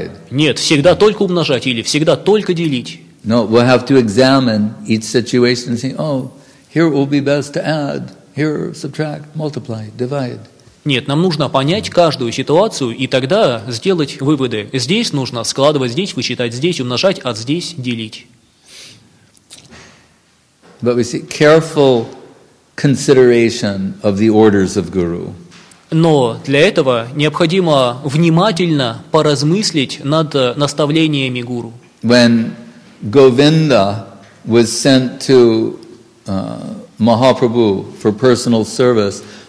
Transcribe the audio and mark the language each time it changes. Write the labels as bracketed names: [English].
[Russian] Нет, всегда только умножать или всегда только делить. [English] No, we'll have to examine each situation and say, oh, here it will be best to add, here subtract, multiply, divide. [Russian] Нет, нам нужно понять каждую ситуацию и тогда сделать выводы. Здесь нужно складывать, здесь вычитать, здесь умножать, а здесь делить. [English] But we see careful consideration of the orders of Guru. [Russian] Но для этого необходимо внимательно поразмыслить над наставлениями Гуру. [English] When Govinda was sent to Mahaprabhu for personal service.